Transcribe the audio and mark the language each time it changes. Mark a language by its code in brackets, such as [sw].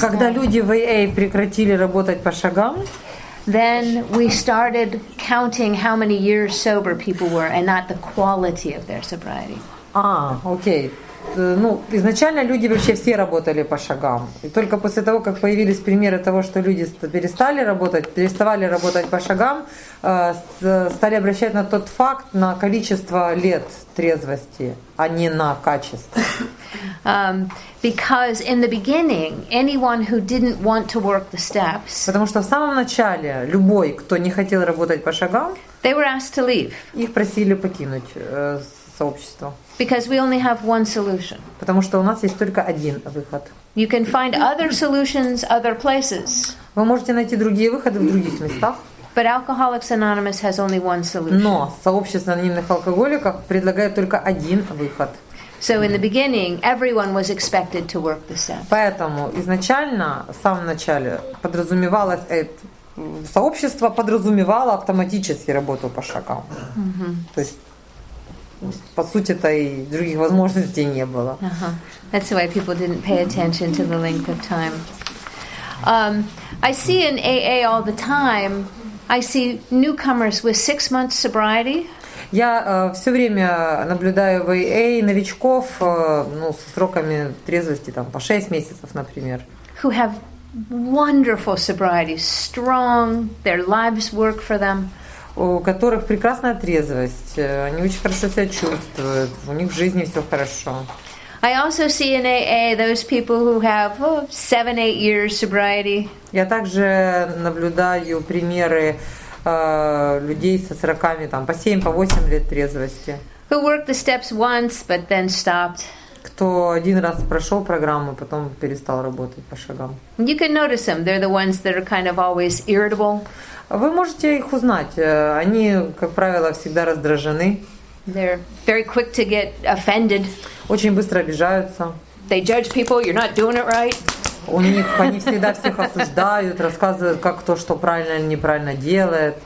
[ru] Когда люди в AA прекратили работать по шагам, [en] then we started counting how many years sober people were and not the quality of their sobriety. Okay. [ru] Ну, изначально люди вообще все работали по шагам. И только после того, как появились примеры того, что люди переставали работать по шагам, стали обращать на тот факт, на количество лет трезвости, а не на качество. [en] Because in the beginning, anyone who didn't want to work the steps, [ru] потому что в самом начале любой, кто не хотел работать по шагам, [en] they were asked to leave. [ru] Их просили покинуть сообщество. [en] Because we only have one solution. [ru] Потому что у нас есть только один выход. [en] You can find other solutions other places. [ru] Вы можете найти другие выходы в других местах. [en] But Alcoholics Anonymous has only one solution. [ru] Но сообщество анонимных алкоголиков предлагает только один выход. [en] So in the beginning, everyone was expected to work the steps. [ru] Поэтому изначально, в самом начале, подразумевалось это. Сообщество подразумевало автоматически работу по шагам. То есть по сути-то и других возможностей не было. [en] That's why people didn't pay attention to the length of time. I see in AA all the time, I see newcomers with 6 months sobriety. [ru] Я все время наблюдаю в AA новичков со сроками трезвости там по 6 месяцев, например. [en] Who have wonderful sobriety, strong, their lives work for them. [ru] У которых прекрасная трезвость, они очень хорошо себя чувствуют, у них в жизни все хорошо. [en] I also see in AA those people who have 7-8 years sobriety. [ru] Я также наблюдаю примеры людей со 40-ми, там, по 7-8 лет трезвости. [en] Who worked the steps once, but then stopped. [ru] кто один раз прошел программу, потом перестал работать по шагам. [en] You can notice them. They're the ones that are kind of always irritable. [ru] Вы можете их узнать. Они, как правило, всегда раздражены. [en] They're very quick to get offended. [ru] Очень быстро обижаются. [en] They judge people. You're not doing it right. [ru] У них они всегда всех осуждают, рассказывают, как кто что правильно или неправильно делает.